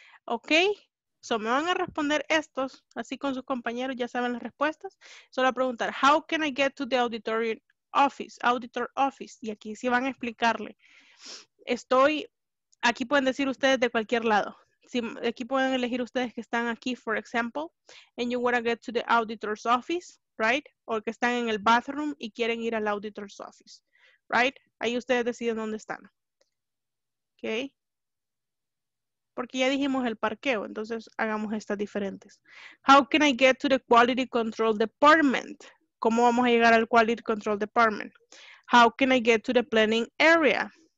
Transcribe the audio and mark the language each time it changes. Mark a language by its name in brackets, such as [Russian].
[Spanish] Ok, so me van a responder estos, así con sus compañeros, ya saben las respuestas. Solo a preguntar, [English] how can I get to the auditorium office? [Spanish] Auditor office. Y aquí sí van a explicarle. Estoy, aquí pueden decir ustedes de cualquier lado. Si, aquí pueden elegir ustedes que están aquí, [English] for example, and you want to get to the auditor's office, right? [Spanish] O que están en el bathroom y quieren ir al auditor's office, right? Ahí ustedes deciden dónde están. Ok. Porque ya dijimos el parqueo, entonces hagamos estas diferentes. [English] How can I get to the quality control department? [Spanish] ¿Cómo vamos a llegar al quality control department? [English] How can I get to the planning area?